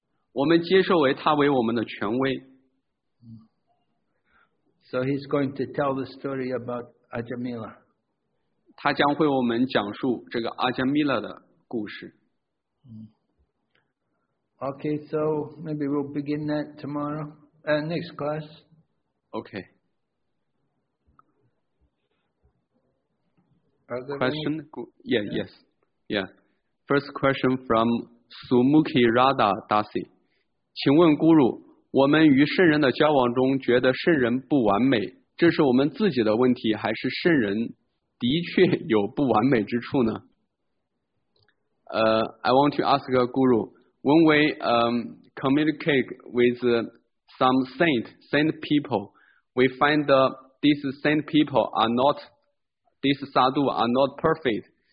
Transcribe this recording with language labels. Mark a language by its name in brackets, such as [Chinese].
[Chinese] 我们接受为他为我们的权威。 [English] So he's going to tell the story about Ajamila. [Chinese] 他将会我们讲述这个 Ajamila 的故事。 [English] Okay, so maybe we'll begin that tomorrow. Next class. Okay. Question? Yeah. First question from Sumukhi Radha Dasi. [Chinese] 请问 Guru, 我们与圣人的交往中觉得圣人不完美，这是我们自己的问题，还是圣人的确有不完美之处呢？ [English] I want to ask Guru, when we communicate with some saint people, we find that these saint people are not, these sadhu are not perfect.